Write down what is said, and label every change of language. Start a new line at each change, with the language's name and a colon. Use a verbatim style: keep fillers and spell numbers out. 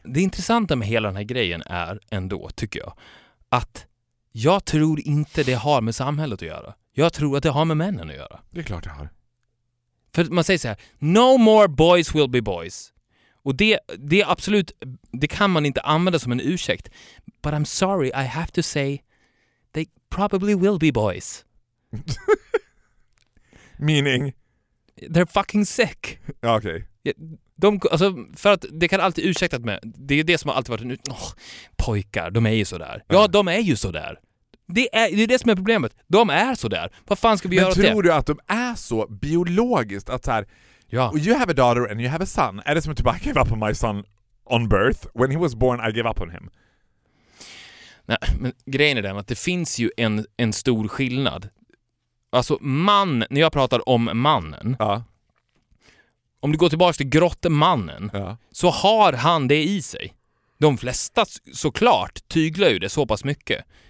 Swedish: Det intressanta med hela den här grejen är ändå, tycker jag, att jag tror inte det har med samhället att göra. Jag tror att det har med männen att göra. Det är klart det har. För man säger så här,
English: no more boys will be boys.
Swedish: Och det, det är absolut... Det kan man inte använda som en ursäkt.
English: But I'm sorry, I have to say they probably will be boys. Meaning? They're fucking sick.
Swedish: Ja, okej. Okay. De, alltså, för att det kan alltid ursäktat med. Det är det som har alltid varit en ut... Oh, pojkar, de är ju sådär. Ja, de är ju sådär. Det är, det är det som är problemet. De är sådär. Vad fan ska vi Men göra åt det? Men tror du att de är så biologiskt att så här... Ja.
English: You have a daughter and you have a son.
Swedish: Är det som att typ,
English: I gave up on my son on birth. When he was born, I gave up on him.
Swedish: Nej, men grejen är den att det finns ju en, en stor skillnad. Alltså man, när jag pratar om mannen. Ja. Om du går tillbaka till grottemannen, ja. Så har han det i sig. De flesta såklart tyglar ju det så pass mycket.